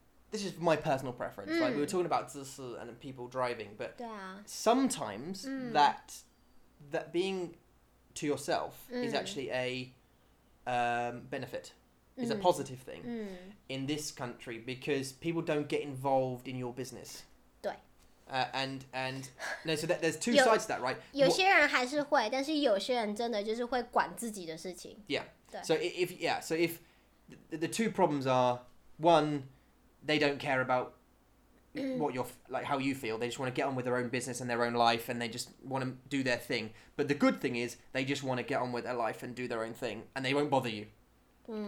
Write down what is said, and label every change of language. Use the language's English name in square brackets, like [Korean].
[English] This is my personal preference. Like, we were talking about 自私 and people driving, but sometimes that being to yourself is actually a benefit. Is a positive thing in this country because people don't get involved in your business. And so there's two sides to that, right? [Chinese] 有些人还是会，但是有些人真的就是会管自己的事情。 [English] Yeah. So if the two problems are, one, they don't care about what you're like, how you feel. They just want to get on with their own business and their own life, and they just want to do their thing. But the good thing is, they just want to get on with their life and do their own thing, and they won't bother you. Mm.